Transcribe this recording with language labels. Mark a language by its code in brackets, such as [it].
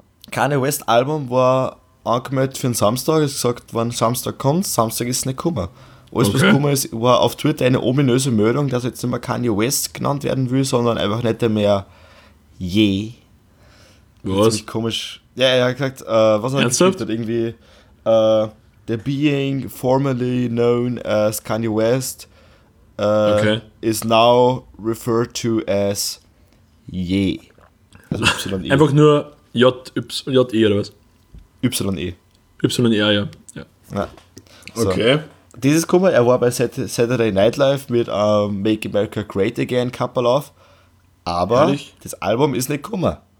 [de] Kanye West Album war angemeldet für den Samstag, ist gesagt, wann Samstag kommt, Samstag ist nicht gekommen. Alles, was gekommen ist, war auf Twitter eine ominöse Meldung, dass jetzt nicht mehr Kanye West genannt werden will, sondern einfach nicht mehr Ye. Was? Komisch. Ja, er hat gesagt, was hat er gesagt? [en] Irgendwie, the being formerly known as Kanye West is now referred to as Ye. [de] Also Y-E. Einfach nur J-Y-E oder was? Y-E. Y-E, ja. Ja. So. Okay. Das ist cool, er war bei Saturday Night Live mit Make America Great Again Couple of. Aber ehrlich? Das Album ist nicht gekommen.